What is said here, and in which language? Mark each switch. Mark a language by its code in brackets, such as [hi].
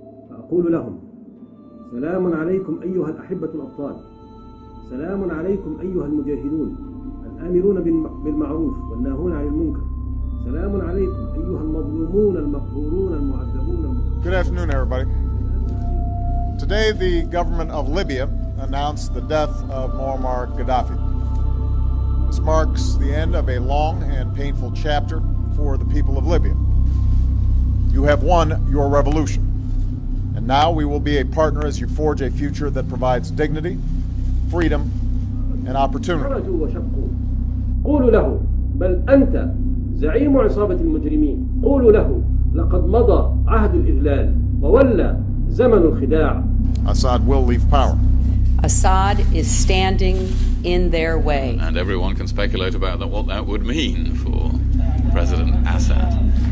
[ar] فأقول لهم: سلام عليكم أيها الأحبة الأبطال، سلام عليكم أيها المجاهدون الآمرون بالمعروف والناهون عن المنكر، سلام عليكم أيها المظلومون المقهورون المعذبون. [en] Good afternoon, everybody. Today the government of Libya announced the death of Muammar Gaddafi. This marks the end of a long and painful chapter for the people of Libya. You have won your revolution, and now we will be a partner as you forge a future that provides dignity, freedom, and opportunity. [ar] قولوا له بل أنت زعيم عصابة المجرمين، قولوا له لقد مضى عهد الإذلال وولى زمن الخداع. [en] Assad will leave power. Assad is standing in their way. And everyone can speculate about what that would mean for President Assad.